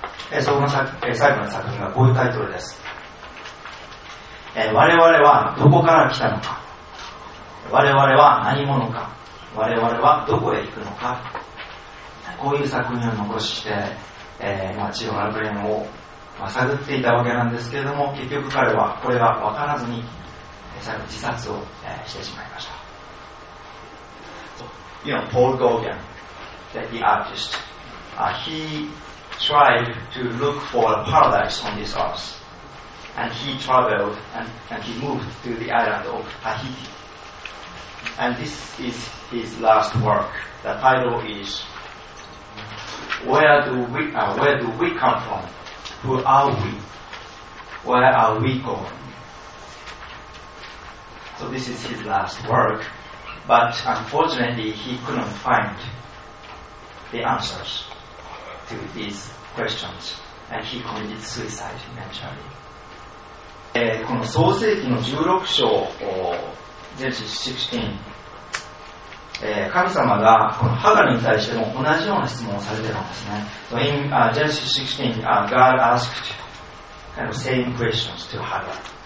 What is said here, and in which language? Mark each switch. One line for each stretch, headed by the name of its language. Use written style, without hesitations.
Japanese: 最後の作品がこういうタイトルです、我々はどこから来たのか、我々は何者か、我々はどこへ行くのか、こういう作品を残して、地上の楽園を、探っていたわけなんですけれども、結局彼はこれが分からずに自殺を、してしまいました。
English: You know, Paul Gauguin, the artist, he tried to look for a paradise on this earth, and he traveled and he moved to the island of Tahiti. And this is his last work. The title is Where do we come from? Who are we? Where are we going? So this is his last work. But unfortunately, he couldn't find the answers to these questions. And he committed suicide eventually.
Japanese: この創世記の16章を、神様がこのハガルに対しても同じような質問をされているんですね。
English: So、in Genesis 16, God asked kind of same questions to Hagar.